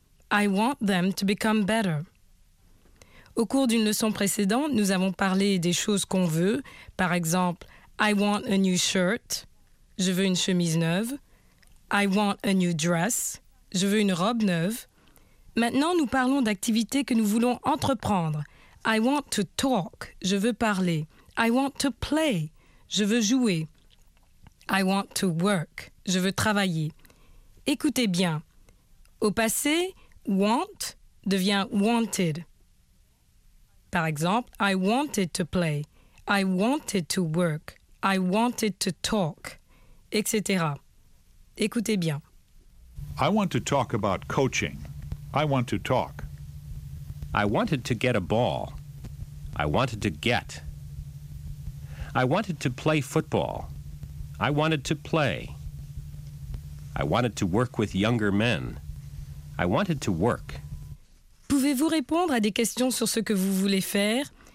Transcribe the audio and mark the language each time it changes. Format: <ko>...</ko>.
<en>I want them to become better.</en> <fr>Au cours d'une leçon précédente, nous avons parlé des choses qu'on veut, par exemple,</fr> <en>I want a new shirt,</en> <fr>je veux une chemise neuve,</fr> <en>I want a new dress,</en> <fr>je veux une robe neuve. Maintenant, nous parlons d'activités que nous voulons entreprendre.</fr> <en>I want to talk,</en> <fr>je veux parler.</fr> <en>I want to play,</en> <fr>je veux jouer.</fr> <en>I want to work,</en> <fr>je veux travailler. Écoutez bien. Au passé, want devient wanted. Par exemple,</fr> <en>I wanted to play. I wanted to work. I wanted to talk, etc.</en> <fr>Écoutez bien.</fr> <en>I want to talk about coaching. I want to talk. I wanted to get a ball. I wanted to get. I wanted to play football. I wanted to play. I wanted to work with younger men. I wanted to work.</en> <fr>Pouvez-vous répondre à des questions sur ce que vous voulez faire?</fr>